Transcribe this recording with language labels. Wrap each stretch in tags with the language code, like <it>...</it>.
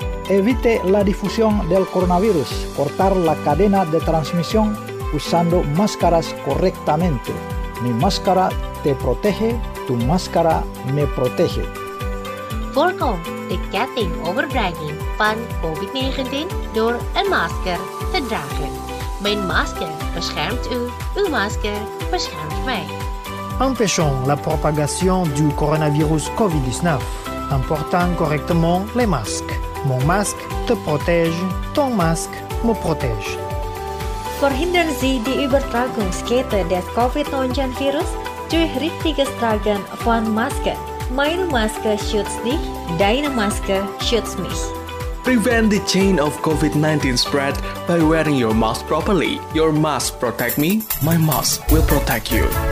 <es>Evite la difusión del coronavirus, cortar la cadena de transmisión usando máscaras correctamente. Mi máscara te protege, tu máscara me protege.</es> <nl>Voorkom de ketting overdragging van COVID-19 door een masker te dragen. Mijn masker beschermt u, uw masker beschermt mij.</nl> <fr>Empêchons la propagation du coronavirus COVID-19. En portant correctement les masques. Mon masque te protège, ton masque me protège.</fr> <de>Verhindern Sie die Übertragungskette des COVID-19 Virus durch richtiges Tragen von Maske. Meine Maske schützt dich, deine Maske schützt mich.</de> <en>Prevent the chain of COVID-19 spread by wearing your mask properly. Your mask protect me, my mask will protect you.</en>